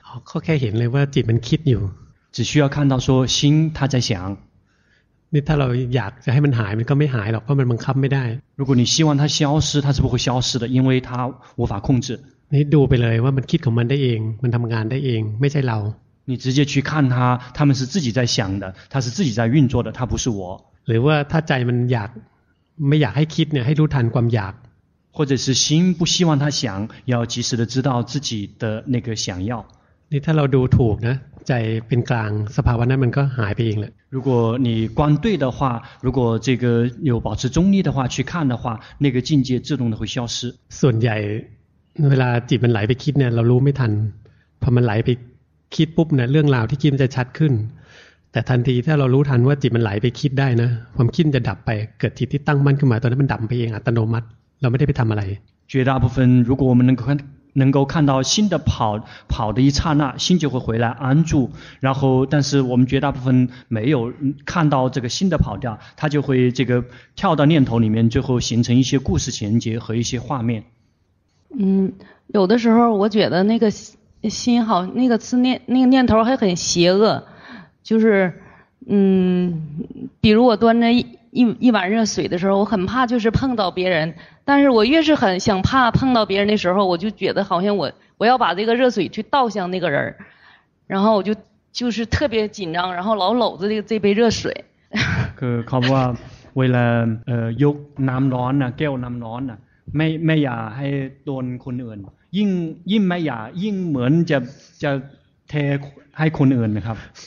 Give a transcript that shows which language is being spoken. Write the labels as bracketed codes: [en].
[th] เขาแค่เห็นเลยว่าจิตมันคิดอยู่ [zh] 只需要看到说心它在想 [th] นี่ถ้าเราอยากจะให้มันหายมันก็ไม่หายหรอกเพราะมันบังคับไม่ได้ [zh] 如果你希望它消失它是不会消失的因为它无法控制 [th] นี่ดูไปเลยว่ามันคิดของมันได้เองมันทำงานได้เองไม่ใช่เรา [zh] 你直接去看它它们是自己在想的它是自己在运作的它不是我 [th] หรือว่าถ้าใจมันอยากไม่อยากให้คิดเนี่ยให้รู้ทันความอยาก [zh] 或者是心不希望他想要及时的知道自己的那个想要 [th] นี่ถ้าเราดูถูกนะใจเป็นกลางสภาวะนั้นมันก็หายไปเองแหละ [zh] 如果你观对的话如果这个有保持中立的话去看的话那个境界自动的会消失 [th] ส่วนใหญ่เวลาจิตมันไหลไปคิดเนี่ยเรารู้ไม่ทันพอมันไหลไปคิดปุ๊บเนี่ยเรื่องราวที่คิดมันจะชัดขึ้นแต่ทันทีถ้าเรารู้ทันว่าจิตมันไหลไปคิดได้นะความคิดจะดับไปเกิดจิตที่ตั้งมั่นขึ้นมาตอนนั้นมันดับไปเองอัตโนมัติเราไม่ได้ไปทำอะไร [zh] 绝大部分如果我们能够看到心的跑的一刹那心就会回来安住然后但是我们绝大部分没有看到这个心的跑掉它就会这个跳到念头里面最后形成一些故事情节和一些画面有的时候我觉得那个心好那个思念那个念头还很邪恶就是比如我端着一碗热水的时候我很怕就是碰到别人但是我越是很想怕碰到别人的时候我就觉得好像我要把这个热水去倒向那个人然后我就是特别紧张然后老搂着这杯热水 [th] คือเขาบอกว่าเวลายกน้ำร้อนนะแก้วน้ำร้อนนะไม่อยากให้โดนคนอื่นยิ่งไม่อยากยิ่งเหมือนจะเทให้คนอื่นนะครับ